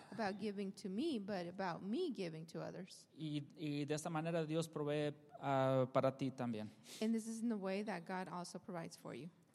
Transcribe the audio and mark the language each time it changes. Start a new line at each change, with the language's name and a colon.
English: About giving to me, but about me giving to others.
Spanish: Y de esta manera Dios provee para ti también.
English: And this is in the way that God also provides for you.